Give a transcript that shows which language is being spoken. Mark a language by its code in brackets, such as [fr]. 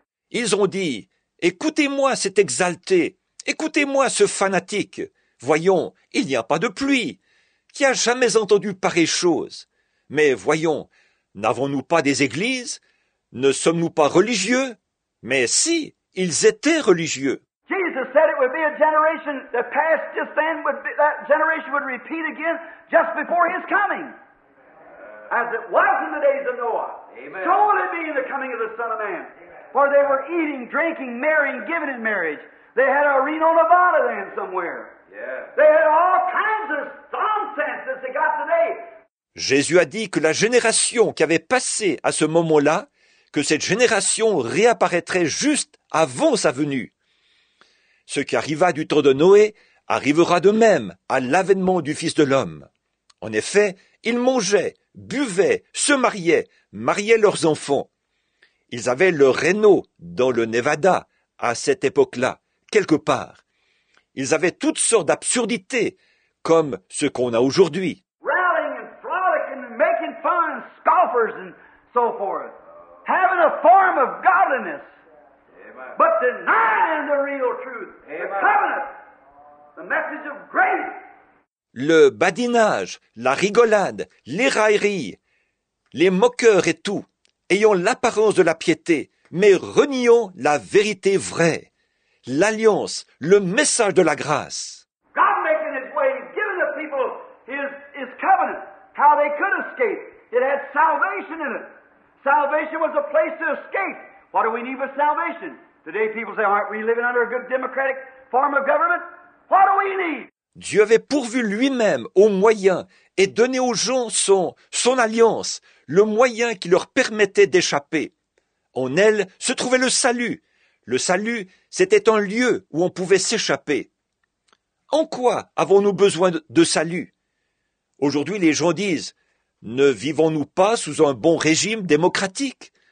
[fr] Ils ont dit, écoutez-moi cet exalté. Écoutez-moi ce fanatique. Voyons, il n'y a pas de pluie. Qui a jamais entendu pareille chose? Mais voyons, n'avons-nous pas des églises? Ne sommes-nous pas religieux? Mais si, ils étaient religieux. [en] Said it would be a generation that passed just then, would be, that generation would repeat again just before his coming. As it was in the days of Noah. Amen. So will it be in the coming of the Son of Man. Amen. For they were eating, drinking, marrying, giving in marriage. They had a Reno, Nevada then somewhere. Yes. They had all kinds of nonsense that they got today. [fr] Jésus a dit que la génération qui avait passé à ce moment-là, que cette génération réapparaîtrait juste avant sa venue. Ce qui arriva du temps de Noé arrivera de même à l'avènement du Fils de l'homme. En effet, ils mangeaient, buvaient, se mariaient, mariaient leurs enfants. Ils avaient leur Reno dans le Nevada à cette époque-là, quelque part. Ils avaient toutes sortes d'absurdités, comme ce qu'on a aujourd'hui. [en] Rallying and frolicking and making fun, scoffers and so forth. Having a form of godliness. But denying the real truth, Amen. The covenant, the message of grace. [fr] Le badinage, la rigolade, les railleries, les moqueurs et tout, ayant l'apparence de la piété, mais reniant la vérité vraie, l'alliance, le message de la grâce. [en] God making his way, giving the people his covenant, how they could escape. It had salvation in it. Salvation was a place to escape. What do we need with salvation? Today people say, aren't we living under a good democratic form of government? What do we need? [fr] Dieu avait pourvu lui-même au moyen et donné aux gens son alliance, le moyen qui leur permettait d'échapper. En elle se trouvait le salut. Le salut, c'était un lieu où on pouvait s'échapper. En quoi avons-nous besoin de salut? Aujourd'hui, les gens disent, ne vivons-nous pas sous un bon régime démocratique?